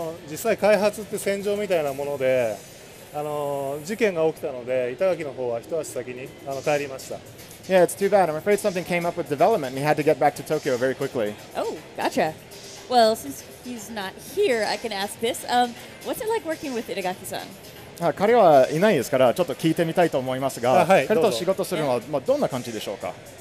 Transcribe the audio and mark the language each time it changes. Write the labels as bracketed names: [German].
[Japanese] 実際開発って戦場みたいなもので、事件が起きたので板垣の方は一足先に帰りました。 [English] Yeah, it's too bad. I'm afraid something came up with development and he had to get back to Tokyo very quickly. Oh, gotcha. Well, since he's not here, I can ask this. What's it like working with Itagaki-san? [Japanese] 彼はいないですからちょっと聞いてみたいと思いますが、はい、彼と仕事するのは、まあ、どんな感じでしょうか？